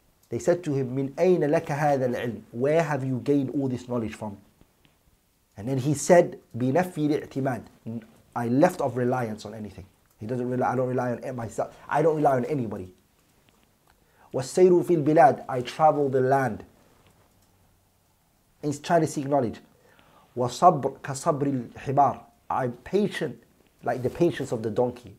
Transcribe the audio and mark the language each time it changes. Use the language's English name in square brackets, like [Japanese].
[English] They said to him, [Arabic] من أين لك هذا العلم? [English] Where have you gained all this knowledge from? And then he said, [Arabic] بنفي الاعتماد. [English] I left off reliance on anything. He doesn't rely, I don't rely on myself. I don't rely on anybody. [Arabic] والسير في البلاد. [English] I travel the land. He's trying to seek knowledge. [Arabic] وصبر كصبر الحبار. [English] I'm patient, like the patience of the donkey.